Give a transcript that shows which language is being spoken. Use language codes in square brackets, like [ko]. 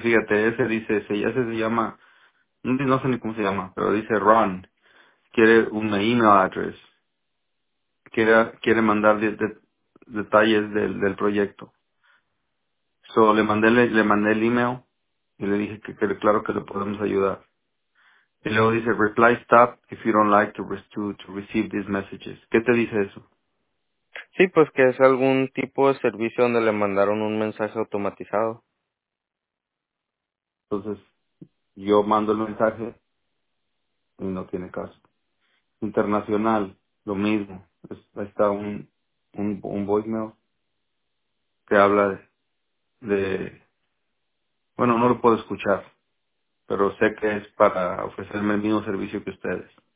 [es] fíjate, ese dice, ese se llama, no sé ni cómo se llama, pero dice Ron, quiere una email address, quiere mandar desde detalles del proyecto. So, le mandé el email y le dije que claro que le podemos ayudar. Y luego dice, [en] reply stop if you don't like to receive these messages. [es] ¿Qué te dice eso? Sí, pues que es algún tipo de servicio donde le mandaron un mensaje automatizado. Entonces, yo mando el mensaje y no tiene caso. Internacional, lo mismo. Pues, ahí está un voicemail que habla de, bueno, no lo puedo escuchar, pero sé que es para ofrecerme el mismo servicio que ustedes.